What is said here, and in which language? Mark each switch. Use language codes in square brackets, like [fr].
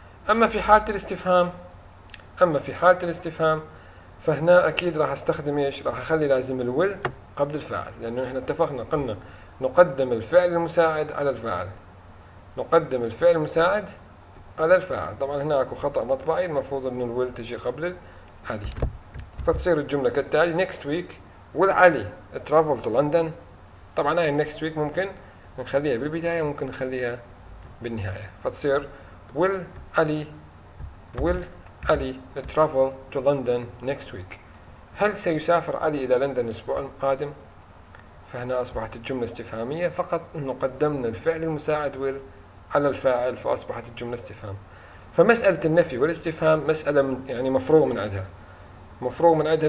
[ar] أما في حالة الاستفهام، أما في حالة الاستفهام فهنا أكيد راح أستخدم إيش؟ راح أخلي لازم الويل قبل الفاعل، لأنه إحنا اتفقنا قلنا نقدم الفعل المساعد على الفاعل، نقدم الفعل المساعد على الفاعل. طبعا هناك خطأ مطبعي، المفروض أن الويل تجي قبل علي. فتصير الجملة كالتالي: [en] Next week will Ali travel to London. [ar] طبعا هاي [en] next week [ar] ممكن نخليها بالبداية، ممكن نخليها بالنهاية، فتصير [en] will Ali، will Ali travel to London next week. [ar] هل سيسافر علي إلى لندن الأسبوع القادم؟ فهنا أصبحت الجملة استفهامية، فقط أنه قدمنا الفعل المساعد will على الفاعل فأصبحت الجملة استفهام. فمسألة النفي والاستفهام مسألة يعني مفروغ من عدها، مفروغ من عدها.